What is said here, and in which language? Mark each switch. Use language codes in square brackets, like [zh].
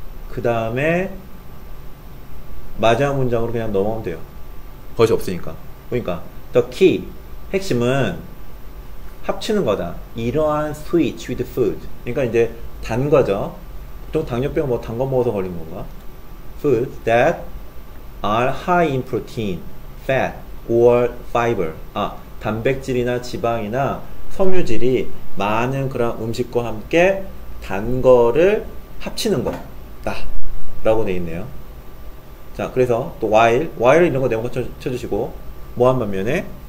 [ko] 그 다음에 마지막 문장으로 그냥 넘어가면 돼요. 벗이 없으니까. 보니까 [en] the key, [ko] 핵심은 합치는 거다. 이러한 [en] switch with food. [ko] 그러니까 이제 단 거죠. 보통 당뇨병 뭐 단 거 먹어서 걸리는 건가? [en] Food that are high in protein, fat or fiber. [ko] 아, 단백질이나 지방이나 섬유질이 많은 그런 음식과 함께 단 거를 합치는 거다. 라고 돼 있네요. 자, 그래서 또 while. while 이런 거 내용 쳐주시고. 뭐 한 반면에?